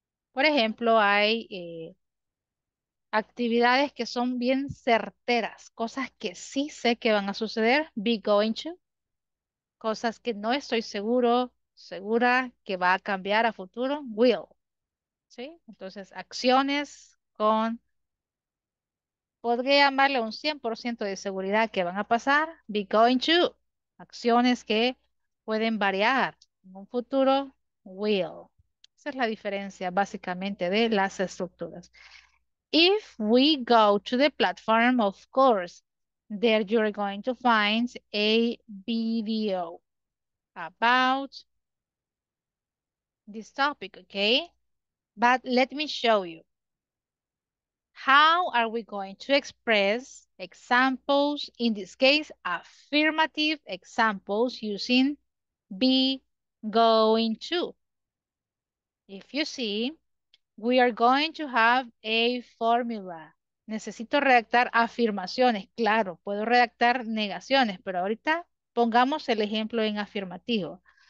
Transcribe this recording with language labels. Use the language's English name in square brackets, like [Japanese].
[Spanish] Por ejemplo, hay actividades que son bien certeras, cosas que sí sé que van a suceder, be going to, cosas que no estoy seguro, segura que va a cambiar a futuro, will. ¿Sí? Entonces, acciones con Podría llamarle un 100% de seguridad que van a pasar. Be going to. Acciones que pueden variar en un futuro. Will. Esa es la diferencia básicamente de las estructuras. [English] If we go to the platform, of course, there you're going to find a video about this topic, ok? But let me show you. How are we going to express examples, in this case, affirmative examples using be going to? If you see, we are going to have a formula. [Spanish] Necesito redactar afirmaciones. Claro, puedo redactar negaciones, pero ahorita pongamos el ejemplo en afirmativo.